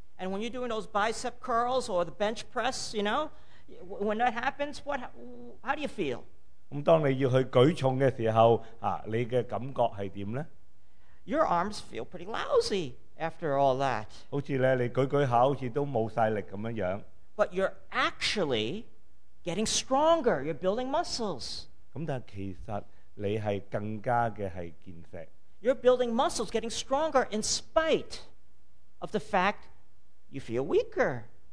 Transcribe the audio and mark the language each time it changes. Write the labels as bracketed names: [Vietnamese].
[English] And when you're doing those bicep curls or the bench press, you know, when that happens, how do you feel? [Cantonese] 咁當你要去舉重嘅時候，你嘅感覺係點呢？ [English] Your arms feel pretty lousy after all that. [Cantonese] 好似咧，你舉舉下，好似都冇曬力咁樣樣。 [English] But you're actually getting stronger. You're building muscles. [Cantonese] 咁但其實你係更加嘅係健碩。 [English] You're building muscles, getting stronger in spite of the fact you feel weaker.